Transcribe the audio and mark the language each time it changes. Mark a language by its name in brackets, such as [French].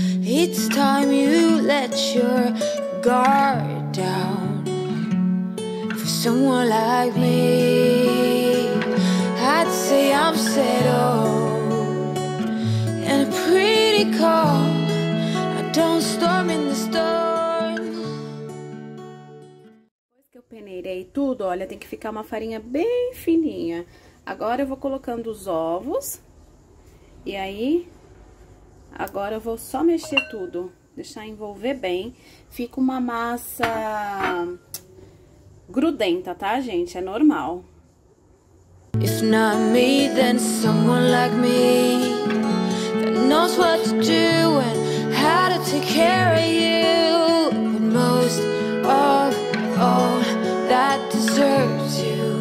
[English] It's time you let your guard down for someone like me. I'd say I'm settled and pretty calm. I don't storm in the storm. [Portuguese] Depois que eu peneirei tudo, olha, tem que ficar uma farinha bem fininha. Agora eu vou colocando os ovos. E aí, agora eu vou só mexer tudo, deixar envolver bem. Fica uma massa grudenta, tá, gente? É normal. [English] If not me, then someone like me that knows what to do and how to take care of you. But most of all, that deserves you.